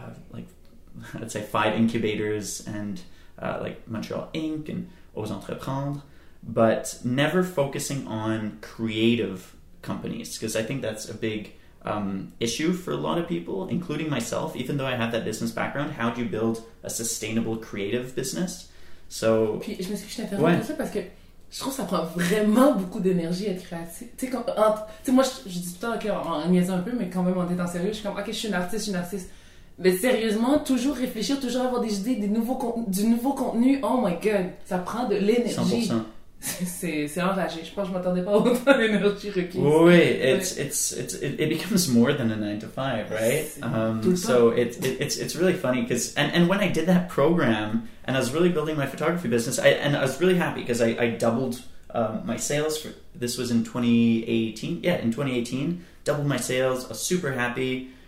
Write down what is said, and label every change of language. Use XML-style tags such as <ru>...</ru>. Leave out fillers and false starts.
<en>Like, I'd say 5 incubators and like Montreal Inc. and Aux Entreprendre, but never focusing on creative companies, because I think that's a big issue for a lot of people, including myself. Even though I have that business background, how do you build a sustainable creative business? So,</en> <fr>puis je me suis dit, je t'interromps parce que je trouve que ça prend vraiment beaucoup d'énergie à être créatif. Tu sais, moi, je dis tout le temps en niaisant un peu, mais quand même en étant sérieux, je suis comme, ok, je suis une artiste. Mais sérieusement, toujours réfléchir, toujours avoir des idées, du nouveau contenu,</fr> <en>oh my god,</en> <fr>ça prend de l'énergie. 100%. C'est enragé. Je pense que je ne m'attendais pas à autant d'énergie requise. Oui,</fr> <en>it becomes more than a 9-to-5, right? So it's really funny because, and when I did that program and I was really building my photography business, I was really happy because I doubled my sales. This was in 2018. Yeah, in 2018, doubled my sales. I was super happy.</en>